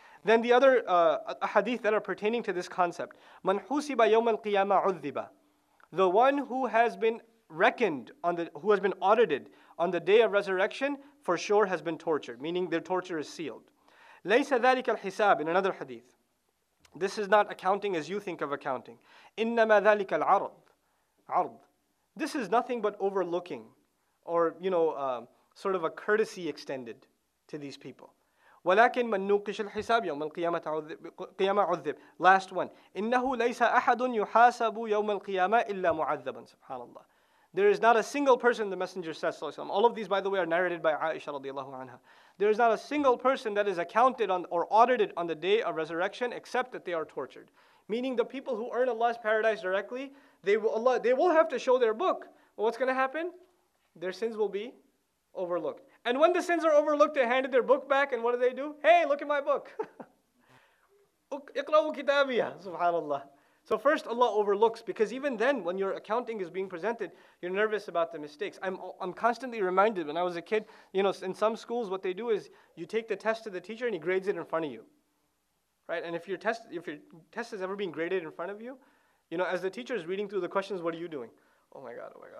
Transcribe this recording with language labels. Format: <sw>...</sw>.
<en>Then the other hadith that are pertaining to this concept.</en> <ar>مَنْ حُسِبَ يَوْمَ الْقِيَامَةِ عُذِّبَ</ar> <en>The one who has been reckoned, who has been audited on the day of resurrection, for sure has been tortured, meaning their torture is sealed.</en> <ar>لَيْسَ ذَلِكَ الْحِسَابِ</ar> <en>In another hadith. This is not accounting as you think of accounting.</en> <ar>إِنَّمَا ذَلِكَ الْعَرْضِ عرض.</ar> <en>This is nothing but overlooking, or you know, sort of a courtesy extended to these people.</en> <ar>وَلَكِنْ مَنْ نُوقِشَ الْحِسَابِ يَوْمَ الْقِيَامَةِ عُذِّبِ</ar> <en>Last one.</en> <ar>إِنَّهُ لَيْسَ أَحَدٌ يُحَاسَبُ يَوْمَ الْقِيَامَةِ إِلَّا مُعَذَّبًا SubhanAllah.</ar> <en>There is not a single person, the Messenger says, all of these, by the way, are narrated by Aisha radiallahu anha. There is not a single person that is accounted on or audited on the day of resurrection except that they are tortured. Meaning the people who earn Allah's paradise directly, they will have to show their book. Well, what's going to happen? Their sins will be overlooked. And when the sins are overlooked, they handed their book back, and what do? Hey, look at my book.</en> <ar>اقرأوا كتابي SubhanAllah.</ar> <en>So first, Allah overlooks, because even then, when your accounting is being presented, you're nervous about the mistakes. I'm constantly reminded, when I was a kid, you know, in some schools, what they do is, you take the test to the teacher, and he grades it in front of you. Right? And if your test is ever being graded in front of you, you know, as the teacher is reading through the questions, what are you doing? Oh my God.</en>